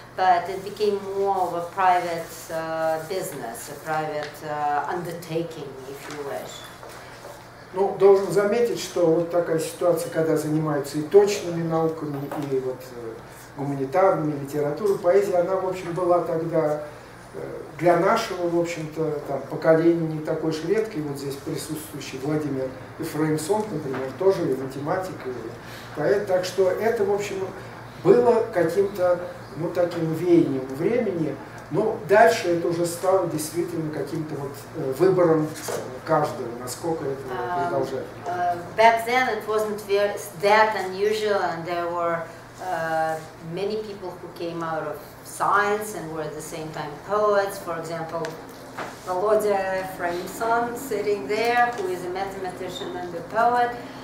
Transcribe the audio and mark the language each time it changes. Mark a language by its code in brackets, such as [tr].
[en] But it became more of a private business, a private undertaking, if you wish. [ru] Ну, должен заметить, что вот такая ситуация, когда занимаются и точными науками, и вот гуманитарными, литературой, поэзией, она, в общем, была тогда для нашего, в общем-то, там, поколения не такой уж редкой. Вот здесь присутствующий Владимир Эфраимсон, например, тоже и математик, и поэт. Так что это, в общем, было каким-то, ну, таким веянием времени. Но дальше это уже стало действительно каким-то вот выбором каждого, насколько это продолжает. [en] Back then it wasn't that unusual, and there were many people who came out of science and were at the same time poets. For example, Volodya Frameson sitting there, who is a mathematician and a poet.